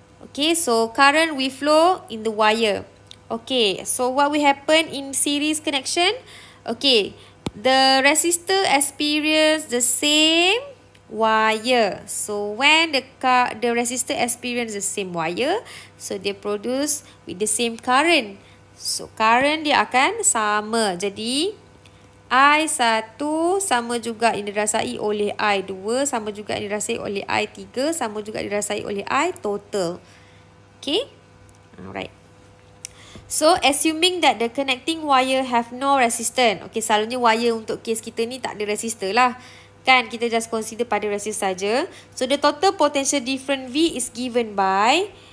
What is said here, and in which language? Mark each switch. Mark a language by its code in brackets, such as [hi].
[en] Okay, so current will flow in the wire. Okay, so what will happen in series connection? Okay, the resistor experience the same wire. So when the resistor experience the same wire, so they produce with the same current. So [ms] current dia akan sama. Jadi I1 sama juga yang dirasai oleh I2, sama juga yang dirasai oleh I3, sama juga yang dirasai oleh I total. [en] Okay, alright. So, assuming that the connecting wire have no resistance. [ms] Okay, selalunya wire untuk kes kita ni tak ada resistor lah. Kan, kita [en] just consider [ms] pada resistor saja. [en] So, the total potential difference V is given by.